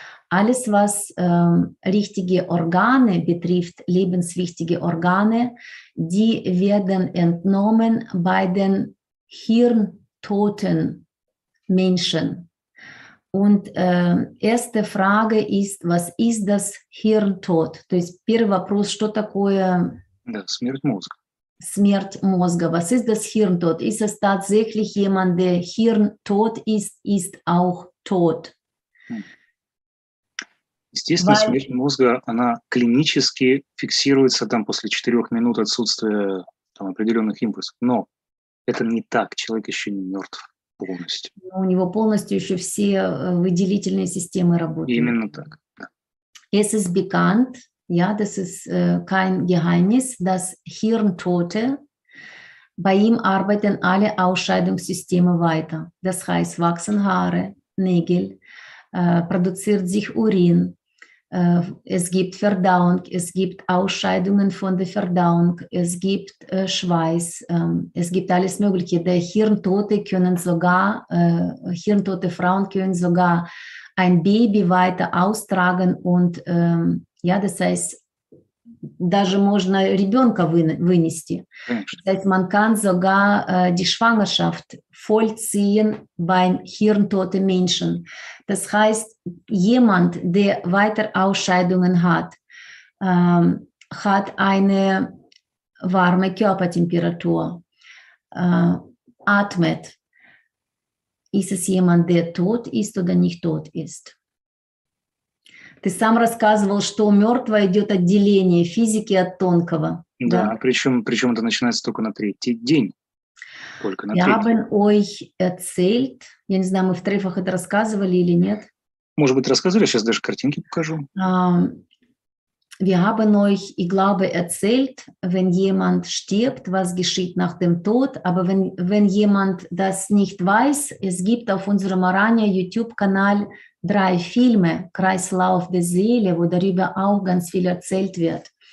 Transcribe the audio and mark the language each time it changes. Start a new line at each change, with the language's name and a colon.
German: Alles, was richtige Organe betrifft, lebenswichtige Organe, die werden entnommen bei den hirntoten Menschen. Und erste Frage ist, was ist das Hirntod?
Russian: То есть первый вопрос, что такое? Да, смерть мозга. Смерть мозга.
German: Was ist das Hirntod? Ist es tatsächlich jemand, der Hirntod ist, ist auch tot?
Russian: Естественно, смерть мозга, она клинически фиксируется там после 4 минут отсутствия там, определенных импульсов. Но это не так, человек еще не мертв. Полностью. У него полностью еще все выделительные системы работают. Именно так.
German: Es ist bekannt, ja, das ist kein Geheimnis, dass Hirntote, bei ihm arbeiten alle Ausscheidungssysteme weiter. Das heißt, wachsen Haare, Nägel, produziert sich Urin, es gibt Verdauung, es gibt Ausscheidungen von der Verdauung, es gibt Schweiß, es gibt alles Mögliche. Der Hirntote können sogar, hirntote Frauen können sogar ein Baby weiter austragen und ja, das heißt,
Russian: даже можно ребенка вынести.
German: Das heißt, man kann sogar die Schwangerschaft vollziehen beim hirntoten Menschen. Das heißt, jemand, der weiter Ausscheidungen hat, hat eine warme Körpertemperatur, atmet. Ist es jemand, der tot ist oder nicht tot ist?
Russian: Ты сам рассказывал, что у мертвого идет отделение физики от тонкого. Да, да? Причем это начинается только на третий день. Только на третий. Я
German: bin euch erzählt.
Russian: Я не знаю, мы в трефах это рассказывали или нет. Может быть, рассказывали, сейчас даже картинки покажу.
German: Wir haben euch, ich glaube, erzählt, wenn jemand stirbt, was geschieht nach dem Tod. Aber wenn jemand das nicht weiß, es gibt auf unserem Aranya YouTube-Kanal drei Filme, Kreislauf der Seele, wo darüber auch ganz viel erzählt wird.